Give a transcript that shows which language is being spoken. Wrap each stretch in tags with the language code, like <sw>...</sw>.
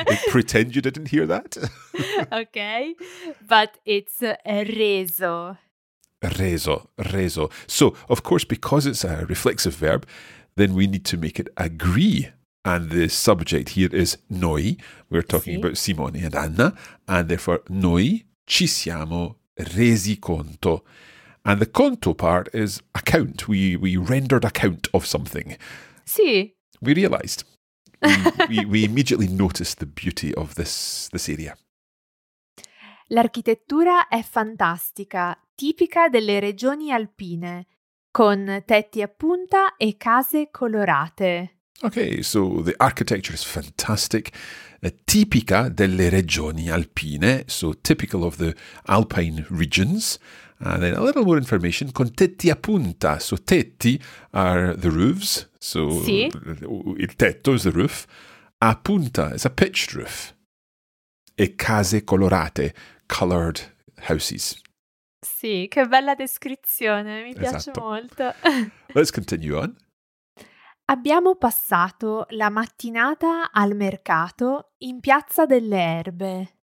<en>Pretend you didn't hear that. Okay, but it's reso.</en> <it>Reso, reso.</it> <en>So, of course, because it's a reflexive verb, then we need to make it agree. And the subject here is noi. We're talking sì. about Simone and Anna.</en> <it>And therefore, noi ci siamo resi conto.</it> <en>And the conto part is account. We rendered account of something.</en> <it>Sì.</it> <en>We realized. We immediately noticed the beauty of this area.</en> <it>L'architettura è fantastica, tipica delle regioni alpine, con tetti a punta e case colorate.</it> <en>Okay, so the architecture is fantastic,</en> <it>tipica delle regioni alpine,</it> <en>so typical of the alpine regions. And then a little more information,</en> <it>con tetti a punta,</it> <en>so tetti are the roofs, so</en> <it>sì.</it> <en>Il tetto is the roof, a punta is a pitched roof,</en> <it>e case colorate,</it> <en>colored houses.</en> <it>Sì, che bella descrizione, mi piace esatto. molto.</it> <en>Let's continue on.</en> <it>Abbiamo passato la mattinata al mercato in Piazza delle Erbe.</it>